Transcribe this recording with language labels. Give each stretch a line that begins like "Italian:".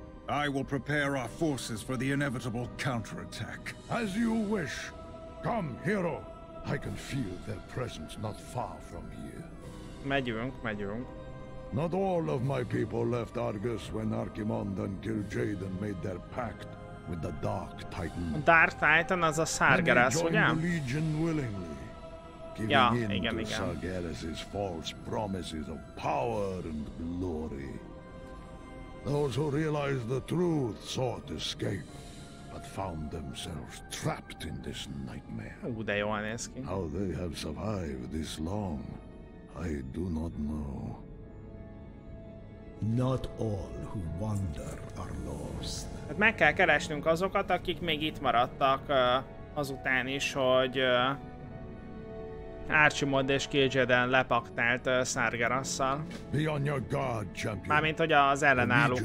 English: I will prepare our forces for the inevitable counterattack. As you wish. Come, hero. I can feel their presence not far from here.
Hungarian: Megyünk, megyünk.
English: Not all of my people left Argus when Archimond and Gil'jaeden made their pact with the Dark Titan.
Hungarian: A Dark Titan az a Sargeras, ugye?
English: Joined the Legion willingly, giving in to Sargeras's false promises of power and glory. Those who realized the truth sought escape, but found themselves trapped in this nightmare. How they have survived this long, I do not know. Not all who wander are lost.
Hungarian: Hát meg kell keresnünk azokat, akik még itt maradtak azután is, hogy Archimond és Gil'jaeden lepaktált Sargerasszal.
English: Be on your guard, champion.
Hungarian: Mármint, hogy az ellenállókat.